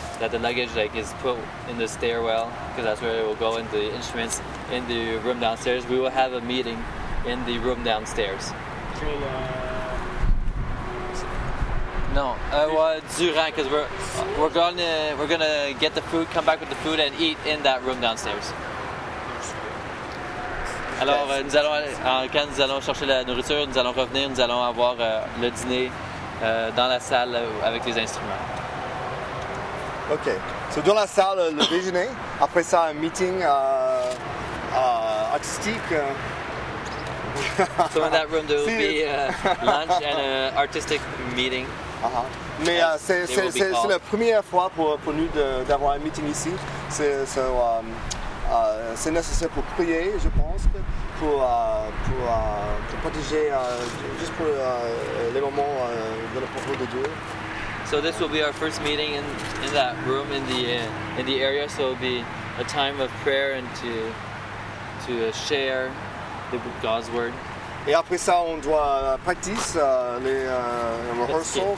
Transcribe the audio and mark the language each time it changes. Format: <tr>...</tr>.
<en>That the luggage like is put in the stairwell because that's where it will go in the instruments in the room downstairs. We will have a meeting in the room downstairs. No, durant because we're gonna get the food, come back with the food and eat in that room downstairs.</en> <fr>Alors nous allons quand nous allons chercher la nourriture, nous allons revenir, nous allons avoir le dîner dans la salle avec les instruments. Ok, so dans la salle, le déjeuner, après ça, un meeting artistique.</fr> <en>So in that room, there will be lunch and an artistic meeting.</en> <fr>Mais c'est la première fois pour nous d'avoir un meeting ici. C'est nécessaire pour prier, je pense, pour protéger, juste pour les moments de la parole de Dieu.</fr> <en>So this will be our first meeting in that room in the area. So it'll be a time of prayer and to share the God's word.</en> <fr>Et après ça, on doit pratiquer les rehearsals.</fr>